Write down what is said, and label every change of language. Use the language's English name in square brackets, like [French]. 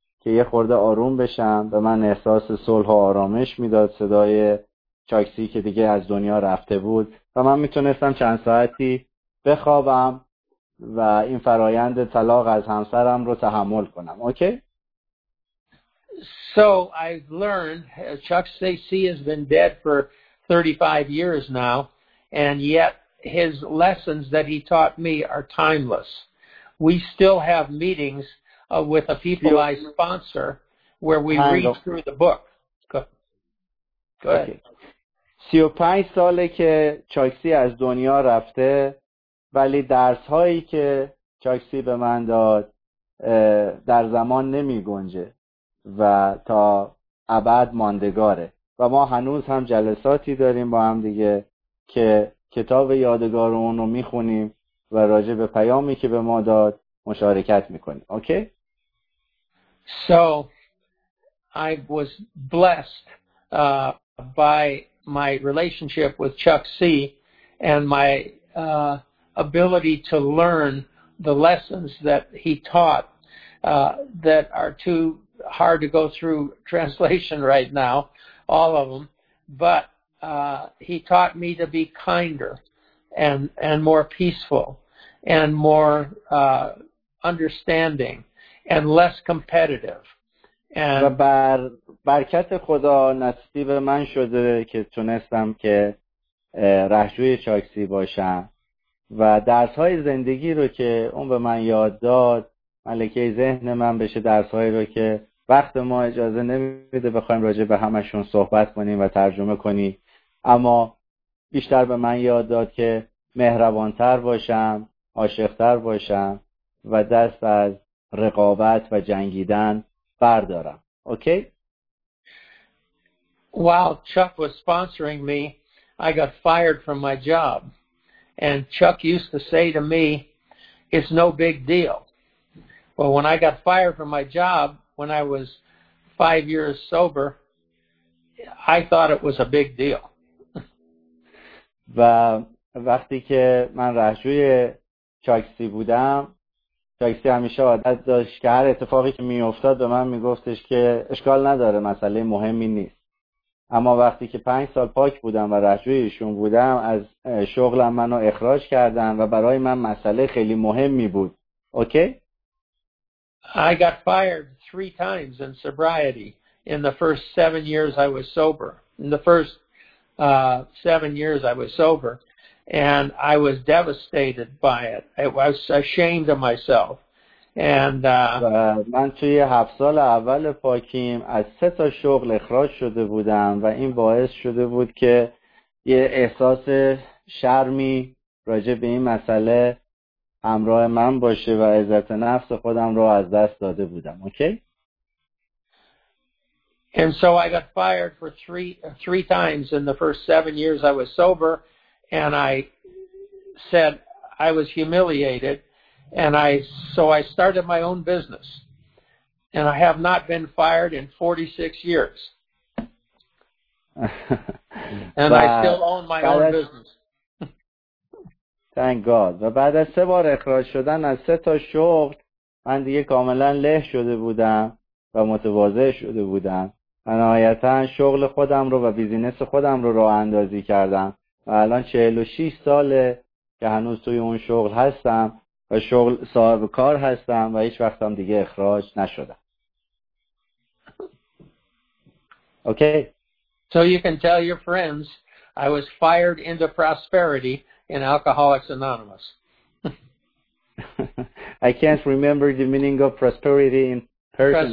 [Persian] که یه خورده آروم بشم، به من احساس صلح و آرامش میداد صدای تاکسی که دیگه از دنیا رفته بود و من میتونستم چند ساعتی بخوابم و این فرایند طلاق از همسرم رو تحمل کنم. اوکی؟ [English] So I've learned Chuck Stacy has been dead for 35 years now, and yet his lessons that he taught me are timeless. We still have meetings with a people I sponsor where we read through the book. Go ahead. [Persian] 35 ساله که چاکسی از دنیا رفته، ولی درس هایی که چاکسی به من داد در زمان نمی گنجه و تا ابد ماندگاره و ما هنوز هم جلساتی داریم با هم دیگه که کتاب یادگار اون رو میخونیم و راجع به پیامی که به ما داد مشارکت میکنیم. اوکی؟ [English] So I was blessed by my relationship with Chuck C and my ability to learn the lessons that he taught that are too hard to go through translation right now, all of them, but he taught me to be kinder and more peaceful and more understanding and less competitive. And [Persian] بر برکت خدا نصیب من شده که تونستم که رهجوی چاکسی باشم و درس‌های زندگی رو که اون به من یاد داد، ملکه ذهن من بشه درس‌هایی رو که وقت ما اجازه نمیده بخوایم راجع به همشون صحبت کنیم و ترجمه کنیم، اما بیشتر به من یاد داد که مهربانتر باشم، عاشقتر باشم و دست از رقابت و جنگیدن بردارم. اوکی؟ [English] While Chuck was sponsoring me, I got fired from my job. And Chuck used to say to me, it's no big deal. Well, when I got fired from my job, when I was 5 years sober, I thought it was a big deal. [Persian] و وقتی که من رهجوی چاکسی بودم، چاکسی همیشه عادت داشت که هر اتفاقی که می افتاد به من می گفتش که اشکال نداره، مسئله مهمی نیست. اما وقتی که 5 سال پاک بودم و رهجویشون بودم، از شغلم منو اخراج کردن و برای من مسئله خیلی مهمی بود. اوکی؟ [English] I got fired 3 times in sobriety in the first 7 years I was sober. In the first 7 years I was sober, and I was devastated by it. I was ashamed of myself. And [Persian] من توی 7 سال اول پاکیم از 3 تا شغل اخراج شده بودم و این باعث شده بود که یه احساس شرمی راجع به این مسئله همراه من باشه و عزت نفس خودم رو از دست داده بودم. اوکی؟ [English] And so I got fired for three times in the first 7 years I was sober, and I said I was humiliated, and I started my own business, and I have not been fired in 46 years. And I still own my own business. Thank God. [Persian] و بعد از 3 بار اخراج شدن از 3 تا شغل من دیگه کاملا له شده بودم و متواضع شده بودم و نهایتا شغل خودم رو و بیزینس خودم رو راه اندازی کردم و الان 46 ساله که هنوز توی اون شغل هستم و شغل صاحب کار هستم و هیچ وقت هم دیگه اخراج نشدم. Okay. [English] So you can tell your friends I was fired into prosperity in Alcoholics Anonymous. I can't remember the meaning of prosperity in Persian.